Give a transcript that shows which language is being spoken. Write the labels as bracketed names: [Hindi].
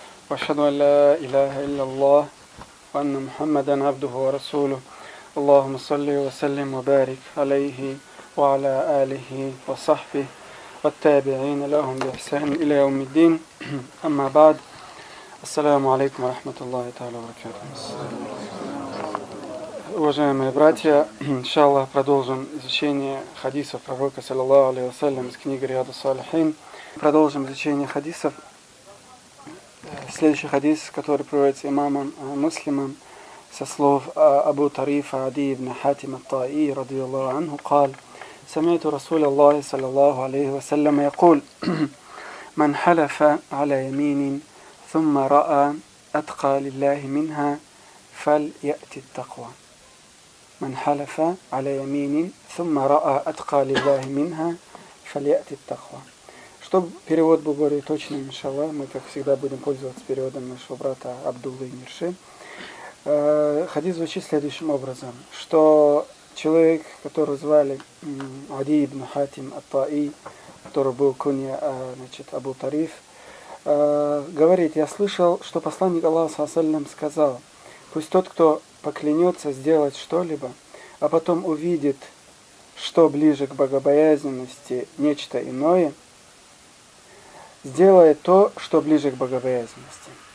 [Arabic] وأشهد أن لا إله إلا الله وأن محمدا عبده ورسوله. اللهم صل وسلم وبارك عليه وعلى آله وصحبه والتابعين لهم بإحسان إلى يوم الدين. أما بعد، Assalamu alaikum wa rahmatullahi ta'ala wa barakatuh. [Russian] Уважаемые братья, иншаллах, продолжим изучение хадисов пророка, саллаллаху алейхи ва саллям, из книги Риаду Салихин. Продолжим изучение хадисов. Следующий хадис, который приводится имамом Муслимом, со слов Абу Тарифа Ади ибн Хатима Таи, радиаллаху анху, قال: «Самиту Расуля Аллахи, саллаллаху алейхи ва саллям, якул: «Ман халафа аля яминин, [Arabic] ثم رأى أتقى لله منها فليأتي التقوى. من حلف على يمين ثم رأى أتقى لله منها فليأتي التقوى». [Russian] Чтобы перевод был более точным, иншаллах, мы, как всегда, будем пользоваться переводом нашего брата Абдуллы Мирши. Хадис звучит следующим образом, что человек, которого звали Ади ибн Хатим ат-Таи, который был кунья, значит, Абу Тариф, говорит: «Я слышал, что посланник Аллаха саллям сказал: пусть тот, кто поклянется сделать что-либо, а потом увидит, что ближе к богобоязненности нечто иное, сделает то, что ближе к богобоязненности.